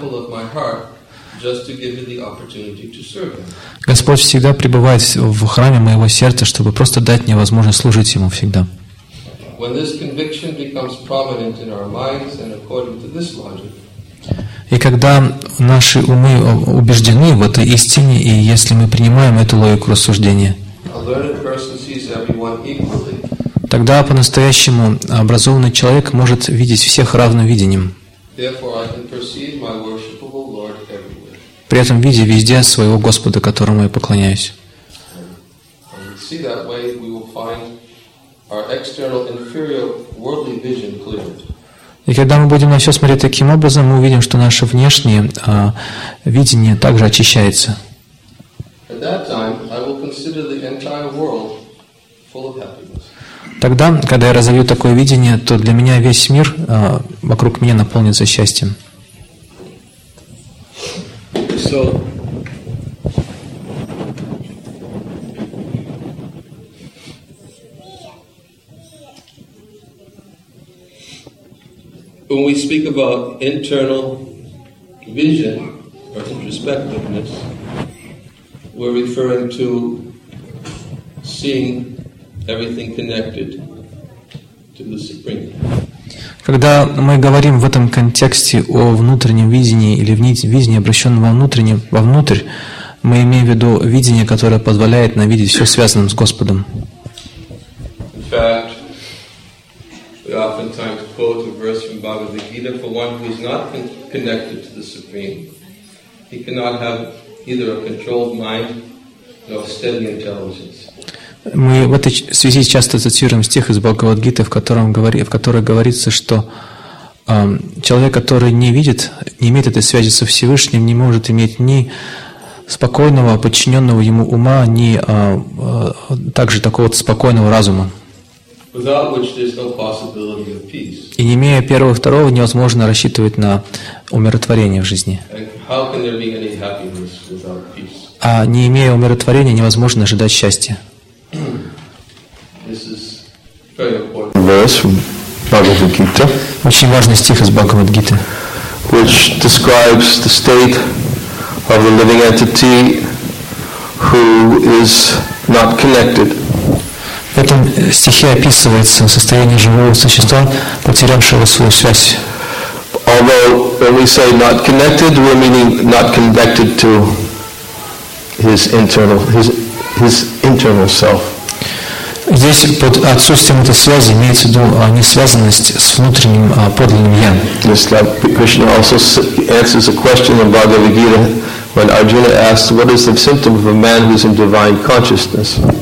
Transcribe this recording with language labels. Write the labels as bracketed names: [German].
[English] Just to give you the opportunity to serve him. [Russian] Господь всегда пребывает в храме моего сердца, чтобы просто дать мне возможность служить Ему всегда. [English] When this conviction becomes prominent in our minds and according to this logic, [Russian] и когда наши умы убеждены в этой истине, и если мы принимаем эту логику рассуждения, [English] a learned person sees everyone equally. [Russian] Тогда по-настоящему образованный человек может видеть всех равным видением. [English] Therefore, I can perceive my worshipable Lord. [Russian] При этом видя везде своего Господа, которому я поклоняюсь. [English] see that way, we will find our external inferior worldly vision clear. [Russian] И когда мы будем на все смотреть таким образом, мы увидим, что наше внешнее видение также очищается. [English] At that time, I will consider the entire world full of happiness. [Russian] Тогда, когда я разовью такое видение, то для меня весь мир вокруг меня наполнится счастьем. [English] So, when we speak about internal vision or introspectiveness, we're referring to seeing everything connected to the Supreme. [Russian] Когда мы говорим в этом контексте о внутреннем видении или видении, обращенном вовнутреннем, вовнутрь, мы имеем в виду видение, которое позволяет нам видеть все связанным с Господом. [English] In fact, we oftentimes quote a verse from Bhagavad Gita: for one who is not connected to the Supreme, he cannot have either a controlled mind nor steady intelligence. [Russian] Мы в этой связи часто цитируем стих из Бхагавад-гиты, в котором говорится, что человек, который не видит, не имеет этой связи со Всевышним, не может иметь ни спокойного, подчиненного ему ума, ни также такого спокойного разума. [English] Without which there's no possibility of peace. [Russian] И не имея первого и второго, невозможно рассчитывать на умиротворение в жизни. [English] How can there be any happiness without peace? [Russian] А не имея умиротворения, невозможно ожидать счастья. [English] This is very important. Verse from Bhagavad Gita. [Russian] Очень важный стих из Бхагавад Гиты. [English] Which describes the state of the living entity who is not connected. [Russian] В этом стихе описывается состояние живого существа, потерявшего свою связь. [English] Although when we say not connected, we're meaning not connected to his internal self. [Russian] Здесь под отсутствием этой связи имеется в виду несвязанность с внутренним подлинным я. [English] This Krishna also answers a question in Bhagavad Gita when Arjuna asks, "What is the symptom of a man who is in divine consciousness?"